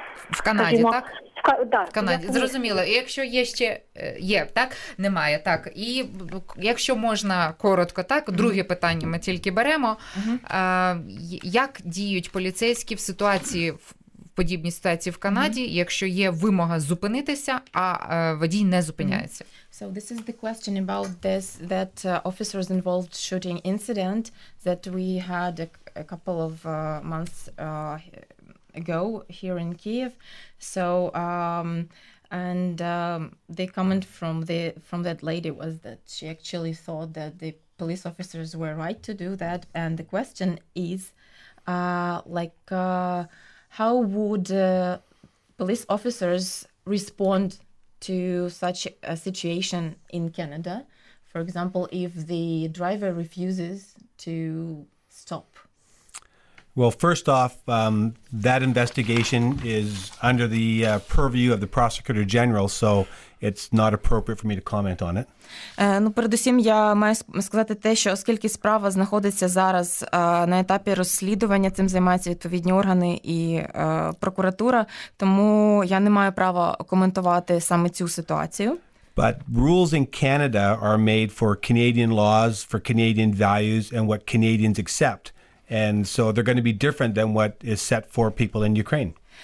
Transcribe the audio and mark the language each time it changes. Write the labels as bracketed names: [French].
[Ukrainian] в Канаді, в Канаді, зрозуміло. І якщо є ще, немає, так. І якщо можна коротко, так, друге питання ми тільки беремо, як діють поліцейські в ситуації, подібні ситуації в Канаді, якщо є вимога зупинитися, а водій не зупиняється. [English] So this is the question about this, that officers involved shooting incident that we had a couple of months ago here in Kyiv. So the comment from that lady was that she actually thought that the police officers were right to do that, and the question is how would police officers respond to such a situation in Canada? For example, if the driver refuses to stop? Well, first off, that investigation is under the purview of the Prosecutor General, so it's not appropriate for me to comment on it. [Ukrainian] Передусім, я маю сказати те, що оскільки справа знаходиться зараз на етапі розслідування, цим займаються відповідні органи і прокуратура, тому я не маю права коментувати саме цю ситуацію. [English] But rules in Canada are made for Canadian laws, for Canadian values, and what Canadians accept. And so they're going to be different than what is set for people in Ukraine.